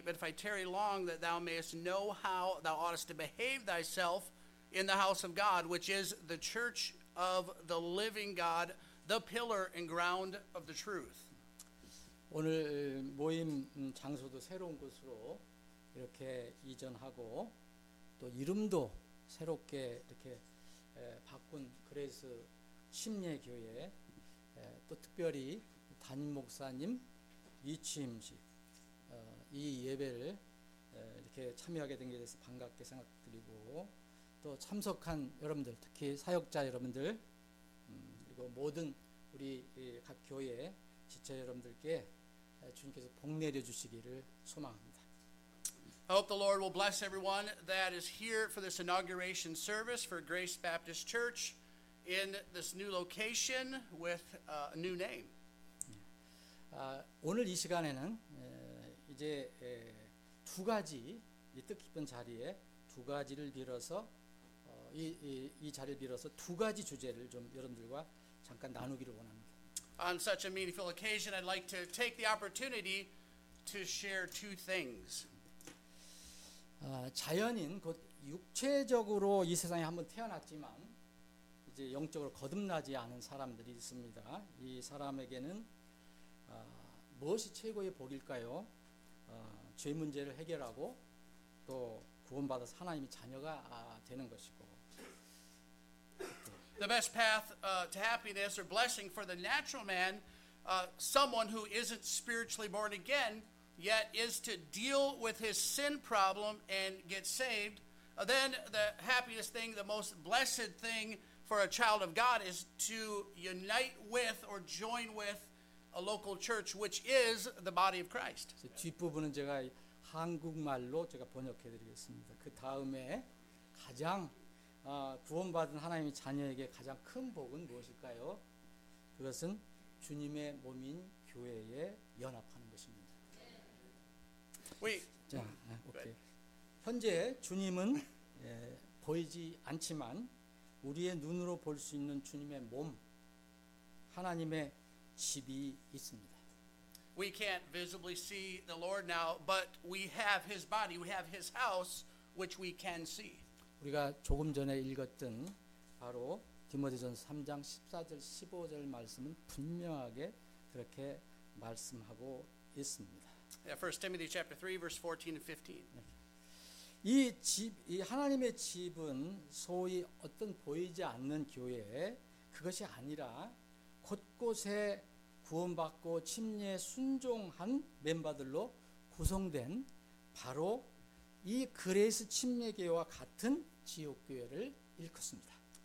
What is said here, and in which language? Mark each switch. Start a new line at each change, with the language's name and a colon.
English: But if I tarry long, that thou mayest know how thou oughtest to behave thyself in the house of God, which is the church of the living God, the pillar and ground of the truth.
Korean: 오늘 모임 장소도 새로운 곳으로 이렇게 이전하고 또 이름도 새롭게 이렇게 바꾼 그레이스 침례 교회 또 특별히 담임 목사님 이치임식 이 예배를 이렇게 참여하게 된 것에 대해서 반갑게 생각드리고 또 참석한 여러분들 특히 사역자 여러분들 그리고 모든 우리 각 교회 지체 여러분들께 주님께서 복 내려 주시기를 소망합니다.
English: I hope the Lord will bless everyone that is here for this inauguration service for Grace Baptist Church in this new location with a new name.
Korean: 오늘 이 시간에는 이제 두 가지 이 뜻깊은 자리에 두 가지를 빌어서 이 자리를 빌어서 두 가지 주제를 좀 여러분들과 잠깐 나누기를 원합니다.
English: On such a meaningful occasion, I'd like to take the opportunity to share two things.
Korean: 자연인 곧 육체적으로 이 세상에 한번 태어났지만 이제 영적으로 거듭나지 않은 사람들이 있습니다. 이 사람에게는 무엇이 최고의 복일까요? 죄 문제를 해결하고 또 구원받아서 하나님의 자녀가 되는 것이고.
English: The best path to happiness or blessing for the natural man, someone who isn't spiritually born again, yet is to deal with his sin problem and get saved. Then the happiest thing, the most blessed thing for a child of God is to unite with or join with a local church, which is the body of Christ.
Korean: 뒷부분은 제가 한국말로 제가 번역해드리겠습니다. 그 다음에 가장 구원받은 하나님의 자녀에게 가장 큰 복은 무엇일까요? 그것은 주님의 몸인 교회에 연합하는 것입니다. 자, 오케이. 현재 주님은 보이지 않지만 우리의 눈으로 볼 수 있는 주님의 몸, 하나님의 집이 있습니다.
English: We can't visibly see the Lord now, but we have His body, we have His house, which we can see.
Korean: 우리가 조금 전에 읽었던 바로 디모데전서 3장 14절 15절 말씀은 분명하게 그렇게 말씀하고 있습니다.
English: Yeah, 1 Timothy chapter 3, verse 14 and 15.
Korean: 이 집, 이 하나님의 집은 소위 어떤 보이지 않는 교회 그것이 아니라 곳곳에 구원받고 침례 순종한 멤버들로 구성된 바로 이 그레이스 침례교회와 같은 지옥교회를 일컫습니다.